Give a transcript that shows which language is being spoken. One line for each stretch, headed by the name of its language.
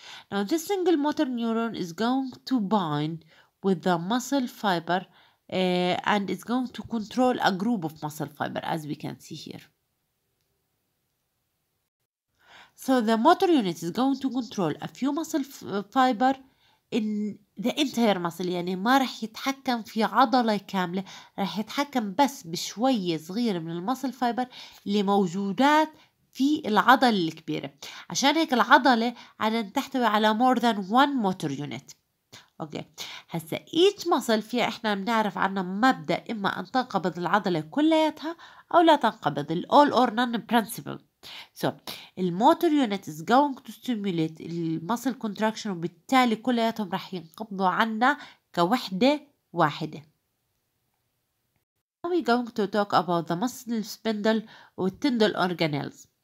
English: Now, this single motor neuron is going to bind with the muscle fiber and it's going to control a group of muscle fiber, as we can see here. So, the motor unit is going to control a few muscle fiber in the entire muscle
Arabic: يعني ما رح يتحكم في عضلة كاملة رح يتحكم بس بشوية صغيرة من المسل فايبر اللي موجودات في العضلة الكبيرة عشان هيك العضلة عادة تحتوي على
English: more than one motor unit
Arabic: أوكي هسا
English: each muscle
Arabic: فيها احنا بنعرف عنا مبدأ اما ان تنقبض العضلة كلياتها او لا تنقبض ال
English: all or none principle So, the motor unit is going to stimulate the muscle contraction
Arabic: وبالتالي كلياتهم رح ينقبضوا عنا كوحدة واحدة.
English: Now we're going to talk about the muscle spindle and tendon organelles.